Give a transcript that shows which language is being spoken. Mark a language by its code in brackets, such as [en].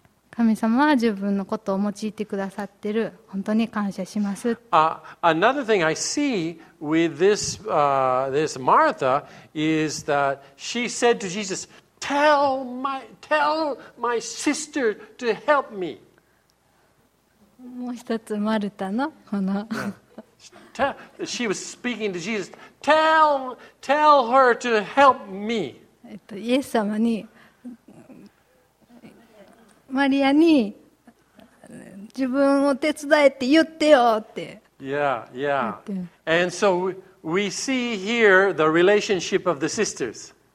[ja] 神様は自分のことを用いてくださっている。本当に感謝します。 [en] Another thing I see with this Martha is that she said to Jesus, tell my sister to help me. [ja] もう一つマルタのこの、yeah. [en] She was speaking to Jesus. Tell her to help me. [ja] イエス様にマリアに自分を手伝えって言ってよって。 [en] Yeah. And so we see here the relationship of the sisters.